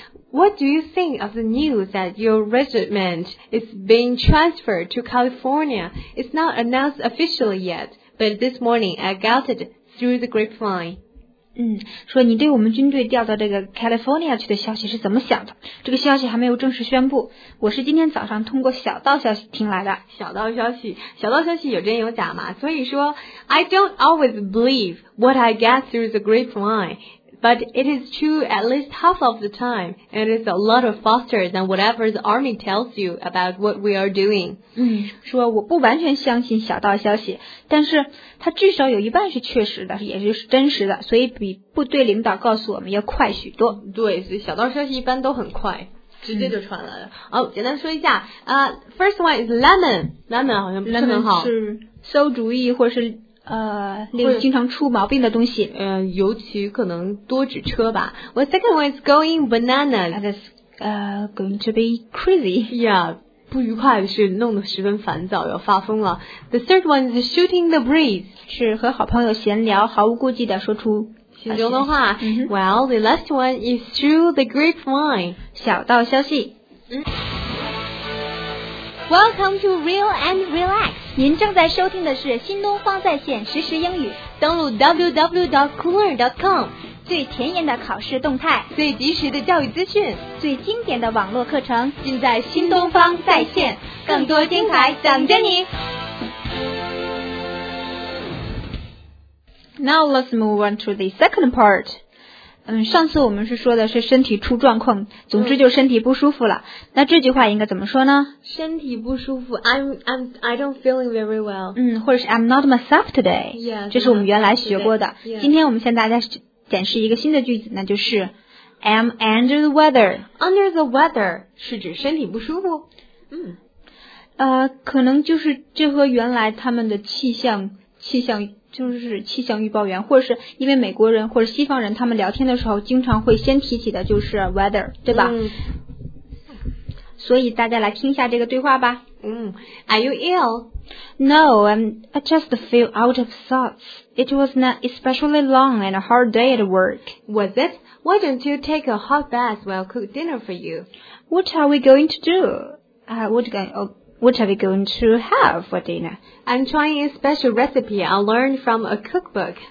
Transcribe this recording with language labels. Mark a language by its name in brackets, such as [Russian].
[English] What do you think of the news that your regiment is being transferred to California? It's not announced officially yet, but this morning I got it through the grapevine. [Chinese] 说你对我们军队调到这个 California 去的消息是怎么想的？这个消息还没有正式宣布，我是今天早上通过小道消息听来的。小道消息有真有假嘛，所以说 [English] I don't always believe what I get through the grapevine, but it is true at least half of the time, and it's a lot faster than whatever the army tells you about what we are doing. [Chinese] 说我不完全相信小道消息，但是它至少有一半是确实的，也就是真实的，所以比部队领导告诉我们要快许多。对，所以小道消息一般都很快，直接就传来了。哦，简单说一下， [English] first one is lemon [Chinese] 好像不是很好，是馊主意或是令人经常出毛病的东西。尤其可能多指车吧。 [English] Well, second one is going bananas. That's going to be crazy. Yeah. [Chinese] 不愉快的是弄得十分烦躁，要发疯了。 [English] The third one is shooting the breeze. [Chinese] 是和好朋友闲聊，毫无顾忌地说出心中的话。 [English] Well, the last one is through the grapevine. [Chinese] 小道消息。 [English] Welcome to Real and Relax. [Chinese] 您正在收听的是新东方在线实时英语，登录 www.coolearn.com。最前沿的考试动态，最及时的教育资讯，最经典的网络课程，尽在新东方在线，更多精彩等着你。 [English] Now let's move on to the second part. [Chinese] 上次我们是说的是身体出状况，总之就身体不舒服了。那这句话应该怎么说呢？身体不舒服， [English] I don't feeling very well. [Chinese] 或者是 [English] I'm not myself today. Yeah, [Chinese] 这是我们原来学过的。 [English] Yeah. [Chinese] 今天我们向大家显示一个新的句子，那就是 [English] I'm under the weather. Under the weather [Chinese] 是指身体不舒服。可能就是这和原来他们的气象预报员，或者是因为美国人或者西方人他们聊天的时候经常会先提起的就是 weather， 对吧？所以大家来听一下这个对话吧。 [English] Are you ill? No, I just feel out of sorts. It was an especially long and hard day at work. Was it? Why don't you take a hot bath while I cook dinner for you? What are we going to do? What are we going to have for dinner? I'm trying a special recipe I learned from a cookbook.